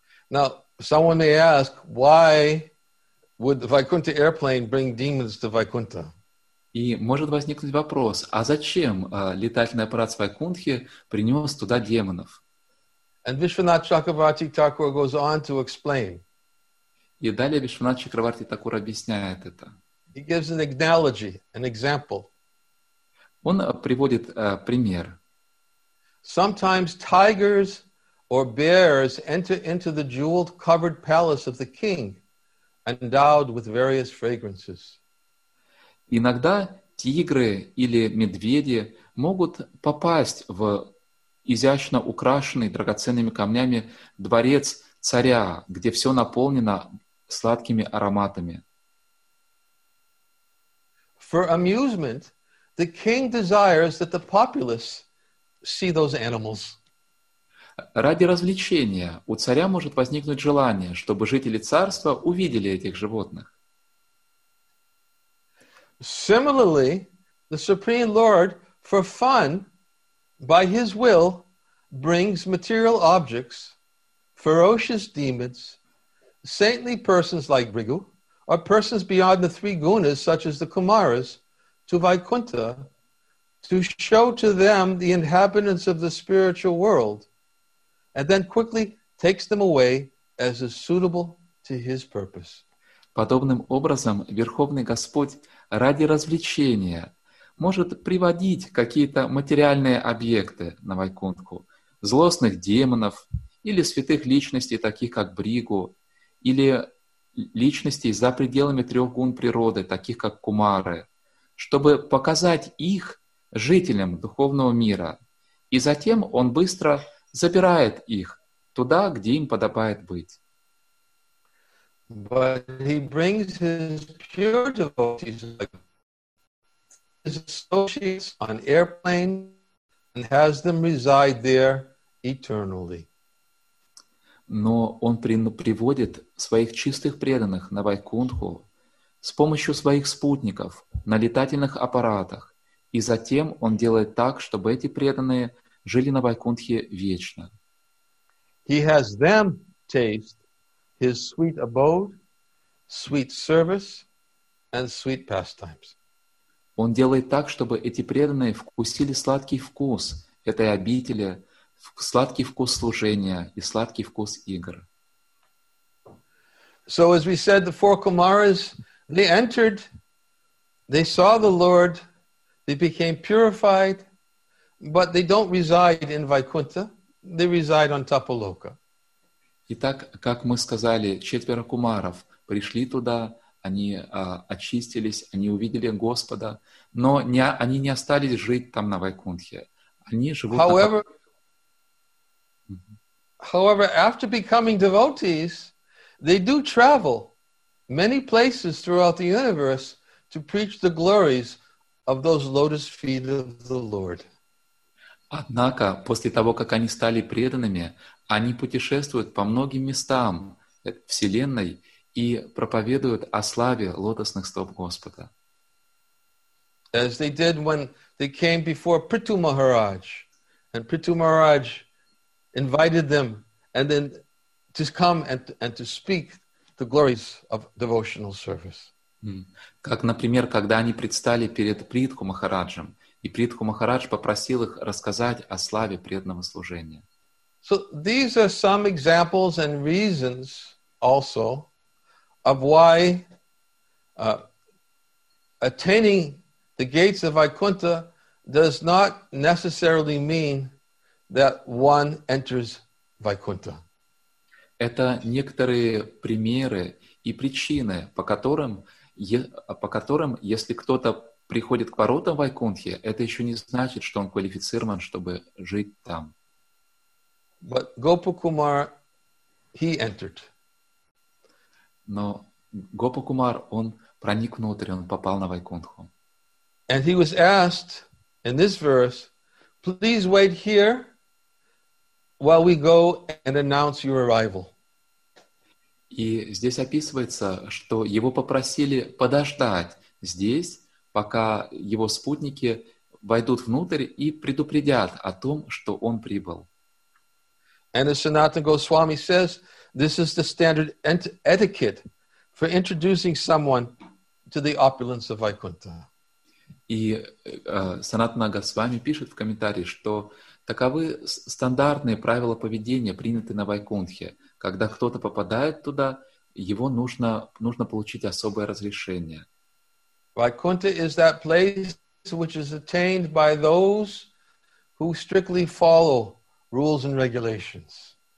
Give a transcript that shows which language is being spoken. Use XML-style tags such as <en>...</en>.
<en>Now, someone may ask, why would the Vaikuntha airplane bring demons to Vaikuntha?</en> <ru>И может возникнуть вопрос, а зачем летательный аппарат с Вайкунтхи принес туда демонов?</ru> <en>And Vishwanath Chakravarti Thakur goes on to explain.</en> <ru>И далее Вишванат Чакраварти Такур объясняет это.</ru> <en>He gives an analogy, an example.</en> <ru>Он приводит пример.</ru> <en>Sometimes tigers or bears enter into the jeweled covered palace of the king, endowed with various fragrances.</en> <ru>Иногда тигры или медведи могут попасть в изящно украшенный драгоценными камнями дворец царя, где все наполнено сладкими ароматами.</ru> <en>For amusement, the king desires that the populace see those animals.</en> <ru>Ради развлечения у царя может возникнуть желание, чтобы жители царства увидели этих животных.</ru> <en>Similarly, the Supreme Lord, for fun, by his will, brings material objects, ferocious demons, saintly persons like Bhrigu, or persons beyond the three gunas, such as the Kumaras, to Vaikuntha, to show to them the inhabitants of the spiritual world, and then quickly takes them away as is suitable to his purpose.</en> <ru>Подобным образом Верховный Господь ради развлечения может приводить какие-то материальные объекты на Вайкунтху, злостных демонов или святых личностей, таких как Бригу, или личностей за пределами трех гун природы, таких как кумары, чтобы показать их жителям духовного мира И затем он быстро забирает их туда, где им подобает быть.</ru> <en>But he brings his pure devotees, like his associates, on airplane and has them reside there eternally.</en> <ru>Но он приводит своих чистых преданных на Вайкунтху с помощью своих спутников на летательных аппаратах, и затем он делает так, чтобы эти преданные жили на Вайкунтхе вечно.</ru> <en>He has them taste his sweet abode, sweet service, and sweet pastimes.</en> <ru>Он делает так, чтобы эти преданные вкусили сладкий вкус этой обители, сладкий вкус служения и сладкий вкус игр.</ru> <en>So, as we said, the four Kumaras, they entered, they saw the Lord, they became purified, but they don't reside in Vaikuntha, they reside on Tapaloka.</en> <ru>Итак, как мы сказали, четверо Кумаров пришли туда, они очистились, они увидели Господа, но они не остались жить там на Вайкунтхе. Они живут</ru> <en>However,</en> <ru>на...</ru> <en>However, after becoming devotees, they do travel many places throughout the universe to preach the glories of those lotus feet of the Lord.</en> <ru>Однако, после того, как они стали преданными, они путешествуют по многим местам Вселенной и проповедуют о славе лотосных стоп Господа.</ru> <en>As they did when they came before Prithu Maharaj, and Prithu Maharaj invited them and then to come and to speak the glories of devotional service.</en> <ru>Как, например, когда они предстали перед Притху Махараджем, и Притху Махарадж попросил их рассказать о славе преданного служения.</ru> <en>So these are some examples and reasons also of why attaining the gates of Vaikuntha does not necessarily mean that one enters Vaikuntha.</en> <ru>Это некоторые примеры и причины, по которым, если кто-то приходит к воротам Вайкунтхи, это еще не значит, что он квалифицирован, чтобы жить там.</ru> <en>But Gopu Kumar, he entered.</en> <ru>Но Гопу Кумар, он проник внутрь, он попал на Вайкунтху.</ru> <en>And he was asked in this verse, please wait here while we go and announce your arrival.</en> <ru>И здесь описывается, что его попросили подождать здесь, пока его спутники войдут внутрь и предупредят о том, что он прибыл.</ru> <en>And as Sanatana Goswami says, this is the standard etiquette for introducing someone to the opulence of Vaikuntha.</en> <ru>И Санатана Госвами пишет в комментарии, что таковы стандартные правила поведения, принятые на Вайкунтхе. Когда кто-то попадает туда, его нужно получить особое разрешение.</ru> <en>Vaikuntha is that place which is attained by those who strictly follow rules and regulations.</en>